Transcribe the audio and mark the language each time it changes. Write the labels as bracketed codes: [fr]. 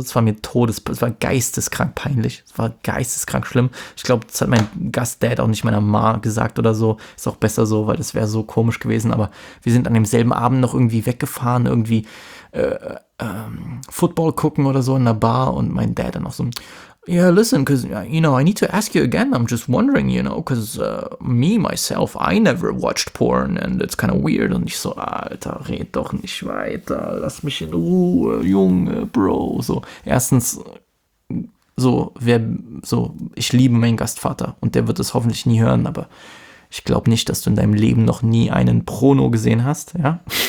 [de] Es war mir es war geisteskrank peinlich. Es war geisteskrank schlimm. Ich glaube, das hat mein Gastdad auch nicht meiner Ma gesagt oder so. Ist auch besser so, weil das wäre so komisch gewesen. Aber wir sind an demselben Abend noch irgendwie weggefahren, irgendwie Football gucken oder so in einer Bar. Und mein Dad dann auch so, [en] yeah, listen, because, you know, I need to ask you again. I'm just wondering, you know, because me, myself, I never watched porn and it's kind of weird. [de] Und ich so, Alter, red doch nicht weiter. Lass mich in Ruhe, Junge, Bro. So, erstens, ich liebe meinen Gastvater und der wird es hoffentlich nie hören, aber ich glaube nicht, dass du in deinem Leben noch nie einen Porno gesehen hast, ja?